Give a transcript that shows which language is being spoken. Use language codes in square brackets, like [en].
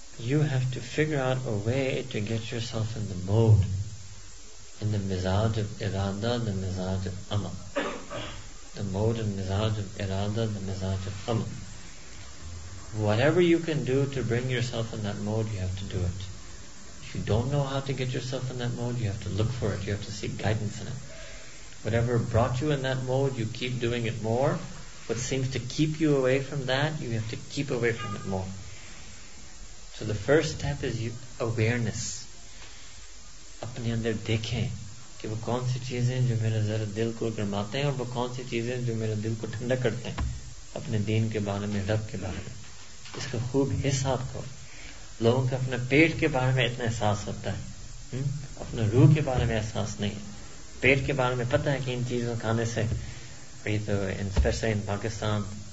[en] you have to figure out a way to get yourself in the mode in the مزاج of ارادہ the مزاج of عمل the mode and مزاج of ارادہ the مزاج of عمل Whatever you can do to bring yourself in that mode, you have to do it. If you don't know how to get yourself in that mode, you have to look for it. You have to seek guidance in it. Whatever brought you in that mode, you keep doing it more. What seems to keep you away from that, you have to keep away from it more. So the first step is awareness. [ur] اپنے اندر دیکھیں کہ وہ کون سی چیزیں جو میرا ذرا دل کو گرماتے ہیں اور وہ کون سی چیزیں جو میرا دل کو ٹھنڈا کرتے ہیں اپنے دین کے بارے میں رب کے بارے میں اس کا خوب حساب کرو لوگوں کا اپنے پیٹ کے بارے میں اتنا احساس ہوتا ہے اپنے روح کے بارے میں احساس نہیں پیٹ کے بارے میں پتہ ہے کہ ان چیزوں کھانے سے [en] especially in Pakistan